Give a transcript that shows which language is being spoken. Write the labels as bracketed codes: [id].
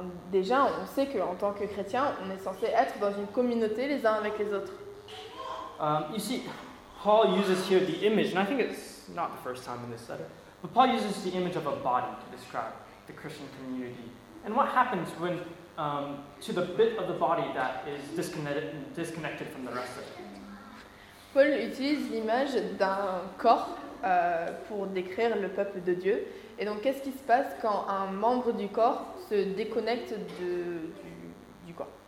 [fr] Déjà, on sait qu'en tant que chrétien, on est censé être dans une communauté les uns avec les autres. [en] You see, Paul uses here the image, and I think it's not the first time in this letter, but Paul uses the image of a body to describe the Christian community. And what happens when to the bit of the body that is disconnected from the rest of it? [fr] Paul utilise l'image d'un corps pour décrire le peuple de Dieu. Et donc, qu'est-ce qui se passe quand un membre du corps se déconnecte du corps?